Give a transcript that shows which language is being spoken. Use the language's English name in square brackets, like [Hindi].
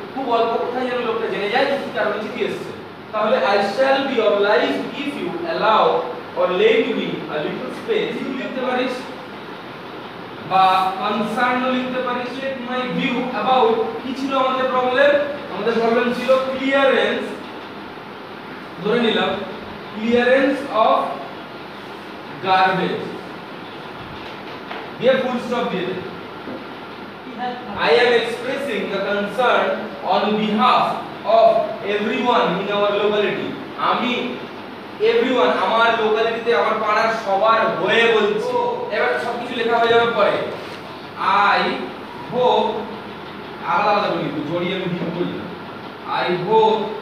[Bangla] খুব অল্প কথাই যেন লোকটা জেনে যায় কিছু কারণে চিঠি এসছে। তাহলে [English] I shall be oblige if you allow or let me a little space, [Bangla] you লিখতে পারিস, বা কনসার্ন লিখতে পারিস [English] with my view about [Bangla] কি ছিল আমাদের প্রবলেম। আমাদের প্রবলেম ছিল ক্লিয়ারেন্স, ধরে নিলাম ক্লিয়ারেন্স অফ গার্বেজ দিয়ে ফুল স্টপ দিয়ে দেয়। [English] I am expressing the concern on behalf of everyone in our locality. [Bangla] আমি everyone আমার লোকালিটিতে আমার পাড়ার সবার হয়ে বলছি। এবার সব কিছু লেখা হয়ে যাওয়ার পরে I hope আলাদা আলাদা বলি জড়িয়ে আমি ঠিক বলি না, I hope